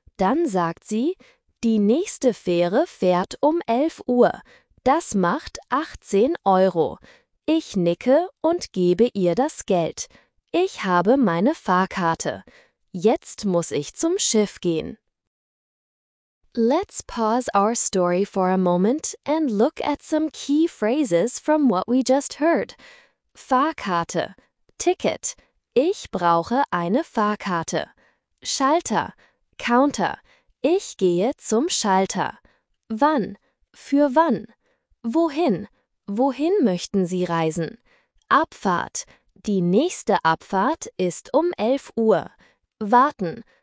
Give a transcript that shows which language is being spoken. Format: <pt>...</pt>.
<de>Dann sagt sie: Die nächste Fähre fährt um 11 Uhr. Das macht 18 Euro. Ich nicke und gebe ihr das Geld. Ich habe meine Fahrkarte. Jetzt muss ich zum Schiff gehen.</de> <en>Let's pause our story for a moment and look at some key phrases from what we just heard.</en> <de>Fahrkarte, Ticket. Ich brauche eine Fahrkarte. Schalter, Counter. Ich gehe zum Schalter. Wann? Für wann? Wohin? Wohin möchten Sie reisen? Abfahrt. Die nächste Abfahrt ist um 11 Uhr. Warten.</de>